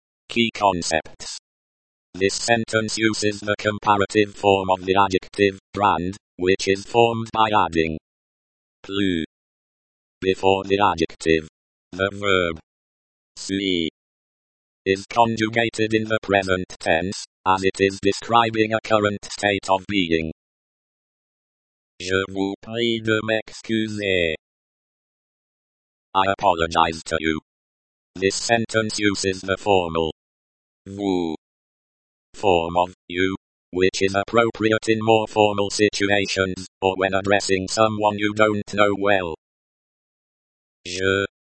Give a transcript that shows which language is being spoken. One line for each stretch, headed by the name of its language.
English: Key concepts. This sentence uses the comparative form of the adjective, grand, which is formed by adding
French: plus
English: before the adjective. The verb
French: suis
English: is conjugated in the present tense, as it is describing a current state of being.
French: Je vous prie de m'excuser.
English: I apologize to you. This sentence uses the formal
French: vous
English: form of you, which is appropriate in more formal situations, or when addressing someone you don't know well.
French: Je